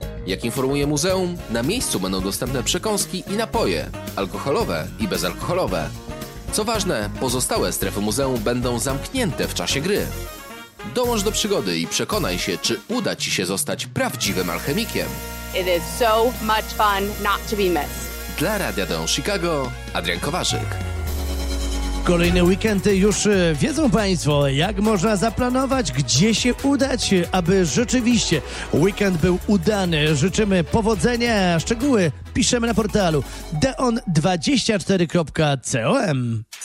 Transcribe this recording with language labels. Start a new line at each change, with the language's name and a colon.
Polish: Jak informuje muzeum, na miejscu będą dostępne przekąski i napoje, alkoholowe i bezalkoholowe. Co ważne, pozostałe strefy muzeum będą zamknięte w czasie gry. Dołącz do przygody i przekonaj się, czy uda Ci się zostać prawdziwym alchemikiem.
English: It is so much fun not to be missed.
Polish: Dla Radia Deon Chicago, Adrian Kowarzyk. Kolejny weekend już wiedzą Państwo, jak można zaplanować, gdzie się udać, aby rzeczywiście weekend był udany. Życzymy powodzenia. Szczegóły piszemy na portalu deon24.com.